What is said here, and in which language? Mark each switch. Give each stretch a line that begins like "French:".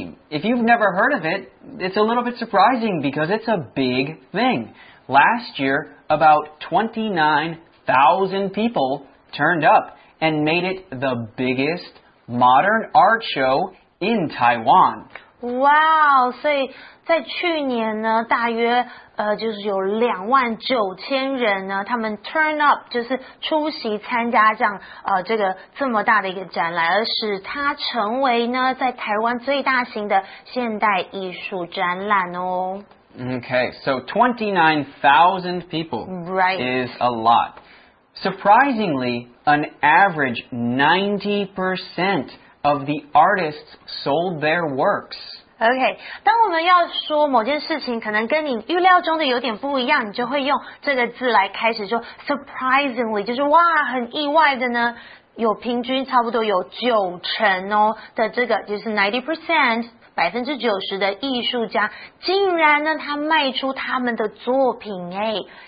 English: If you've never heard of it, it's a little bit surprising because it's a big thing. Last year, about 29,000 people turned up and made it the biggest modern art show in Taiwan. Wow, so...
Chinese: 在去年呢，大约就是有29,000人呢，他们 turn up 就是出席参加这样这个这么大的一个展览，而使它成为呢在台湾最大型的现代艺术展览哦。
English: Okay, so 29,000 people is a lot. Surprisingly, an average 90% of the artists sold their works.
Chinese: OK, 当我们要说某件事情可能跟你预料中的有点不一样，你就会用这个字来开始说 surprisingly, 就是哇很意外的呢有平均差不多有九成哦的这个就是 90%, 90% 的艺术家竟然呢他卖出他们的作品诶。